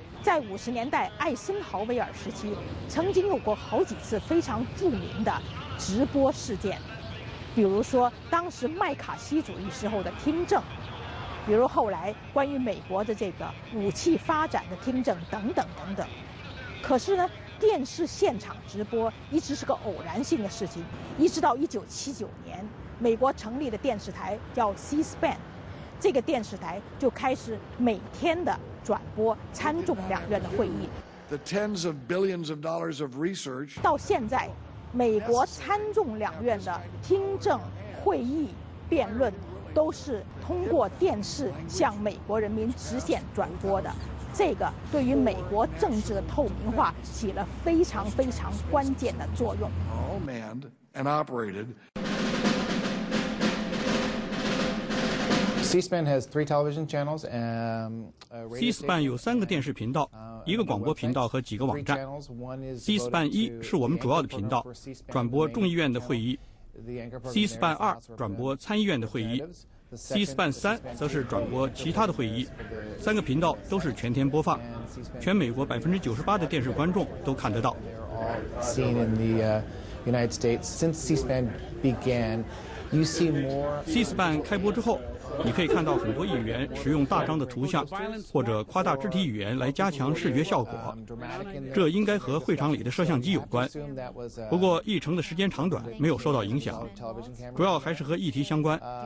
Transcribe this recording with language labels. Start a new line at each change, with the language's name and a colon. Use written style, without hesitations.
Chinese: 在50年代艾森豪威尔时期，曾经有过好几次非常著名的直播事件，比如说当时麦卡锡主义时候的听证，比如后来关于美国的这个武器发展的听证等等等等。可是呢，电视现场直播一直是个偶然性的事情，一直到1979年，美国成立的电视台叫 C-SPAN， 这个电视台就开始每天的转播参众两院的会议。
English: The tens of billions of dollars of research.
Chinese: 到现在，美国参众两院的听证、会议、辩论，都是通过电视向美国人民直线转播的。这个对于美国政治的透明化起了非常非常关键的作用。
English: All manned and operated. C-SPAN has three television channels and.
Chinese: C-SPAN 有三个电视频道，一个广播频道和几个网站。 C-SPAN 一是我们主要的频道，转播众议院的会议。 C-SPAN 二转播参议院的会议。 C-SPAN 3则是转播其他的会议，三个频道都是全天播放，全美国98%的电视观众都看得到。
English: United States since C-SPAN began, you see more.
Chinese: C-SPAN 开播之后，你可以看到很多议员使用大张的图像或者夸大肢体语言来加强视觉效果，这应该和会场里的摄像机有关。不过议程的时间长短没有受到影响，主要还是和议题相关。